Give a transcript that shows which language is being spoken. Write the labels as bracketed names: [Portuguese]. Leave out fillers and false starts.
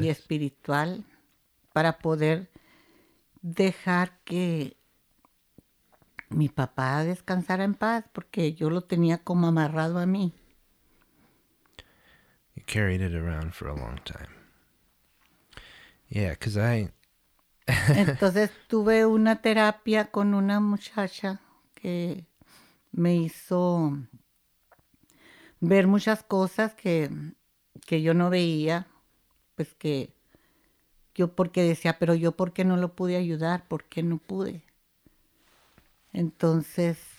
[Spanish] Y espiritual para poder dejar que mi papá descansara en paz, porque yo lo tenía como amarrado a mí. [English] You carried it around for a long time. Yeah, because I... [Spanish] Entonces tuve una terapia con una muchacha que me hizo ver muchas cosas que yo no veía. Pues que yo porque decía, pero yo ¿por qué no lo pude ayudar? ¿Por qué no pude? Entonces...